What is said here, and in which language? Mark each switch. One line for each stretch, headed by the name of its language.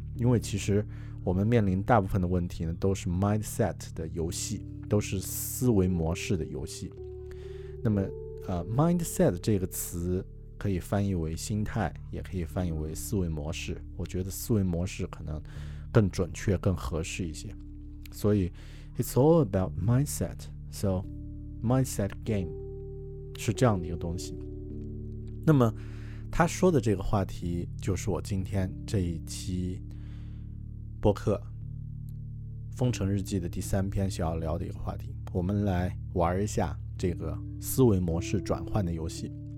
Chinese: 因为其实我们面临大部分的问题呢，都是 mindset 的游戏，都是思维模式的游戏。那么mindset 这个词可以翻译为心态，也可以翻译为思维模式，我觉得思维模式可能更准确更合适一些。所以
English: it's all about mindset.
Chinese: So mindset game 是这样的一个东西。那么他说的这个话题就是我今天这一期播客封城日记的第三篇需要聊的一个话题。我们来玩一下这个思维模式转换的游戏。